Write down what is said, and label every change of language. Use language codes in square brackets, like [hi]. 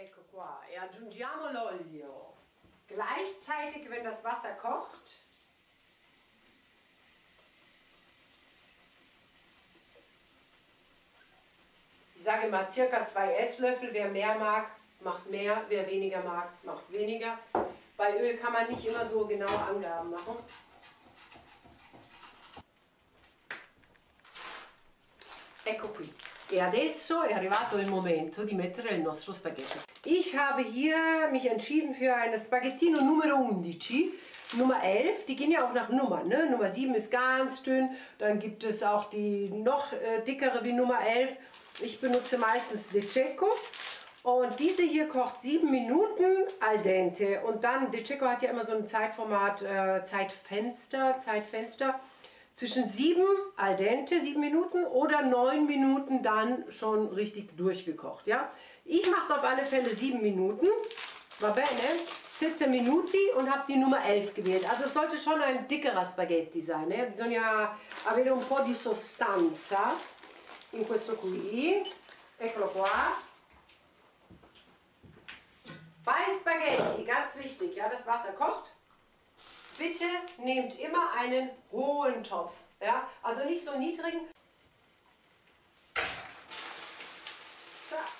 [it] qua e aggiungiamo l'olio. [de] Gleichzeitig, wenn das Wasser kocht, ich sage mal circa 2 Esslöffel, wer mehr mag, macht mehr, wer weniger mag, macht weniger. Bei Öl kann man nicht immer so genaue Angaben machen. [it] Ecco qui. E adesso è arrivato il momento di mettere il nostro spaghetti. [de] Ich habe hier mich entschieden für eine Spaghettino Numero 11. Nummer 11, die gehen ja auch nach Nummern, ne? Nummer 7 ist ganz dünn, dann gibt es auch die noch dickere wie Nummer 11. Ich benutze meistens Dececco. Und diese hier kocht 7 Minuten al dente. Und dann, Dececco hat ja immer so ein Zeitformat, Zeitfenster. Zwischen 7 al dente, 7 Minuten, oder 9 Minuten dann schon richtig durchgekocht, ja? Ich mache es auf alle Fälle 7 Minuten. [it] Va bene? [de] 7 Minuten und habe die Nummer 11 gewählt. Also es sollte schon ein dickerer Spaghetti sein, ne? [it] Bisogna avere un po' di sostanza in questo qui. Eccolo qua. [de] Bei Spaghetti, ganz wichtig, ja, das Wasser kocht. Bitte nehmt immer einen hohen Topf, ja, also nicht so niedrigen. So.